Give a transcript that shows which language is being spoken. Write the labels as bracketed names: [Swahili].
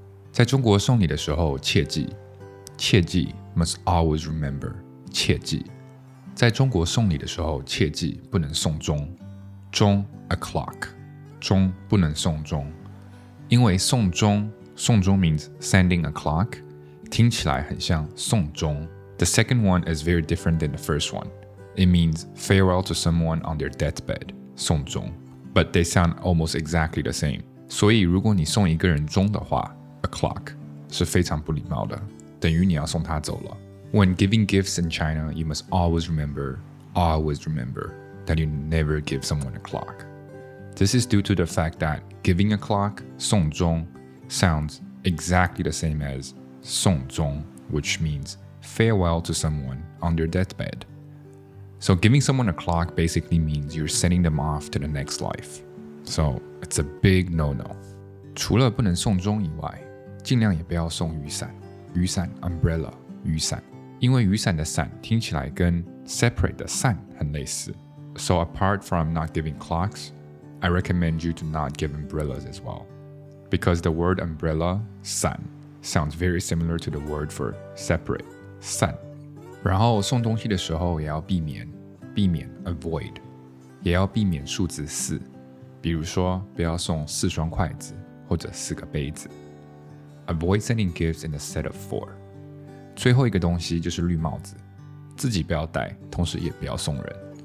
[Chinese] 在中国送礼的时候切记，切记 [English] must always remember， [Chinese] 切记在中国送礼的时候切记不能送钟，钟 a clock， 钟不能送钟，因为送钟，送钟 [English] means sending a clock， [Chinese] 听起来很像送钟。 [English] The second one is very different than the first one. It means farewell to someone on their deathbed. 送钟 but they sound almost exactly the same. [Chinese] 所以如果你送一个人钟的话 a clock 是非常不礼貌的，等于你要送他走了。 [English] When giving gifts in China, you must always remember that you never give someone a clock. This is due to the fact that giving a clock, 送钟 sounds exactly the same as 送钟 which means farewell to someone on their deathbed. So giving someone a clock basically means you're sending them off to the next life. So it's a big no-no. [Chinese] 除了不能送钟以外，尽量也不要送雨伞。雨伞 umbrella 雨伞，因为雨伞的伞听起来跟 separate 的伞很类似。 [English] So apart from not giving clocks, I recommend you to not give umbrellas as well, because the word umbrella 伞 sounds very similar to the word for separate 伞。 [Chinese] 然后送东西的时候也要避免 avoid， 也要避免数字四，比如说不要送四双筷子或者四个杯子。 [English] Avoid sending gifts in a set of four. [Chinese] 最后一个东西就是绿帽子，自己不要戴，同时也不要送人。